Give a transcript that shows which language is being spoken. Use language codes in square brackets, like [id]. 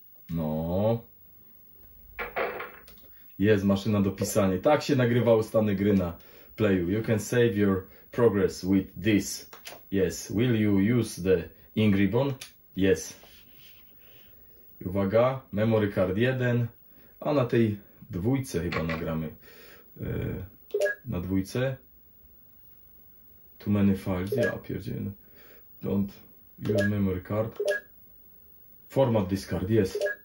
[pl] No. Jest maszyna do pisania. Tak się nagrywały stany gry na Playu. [en] You can save your progress with this. Yes. Will you use the ink ribbon? Yes. [pl] Uwaga, memory card 1, a na tej dwójce chyba nagramy. Na dwójce. [en] Too many files, [pl] ja pierdzielę. [en] Don't use memory card. Format this card, yes.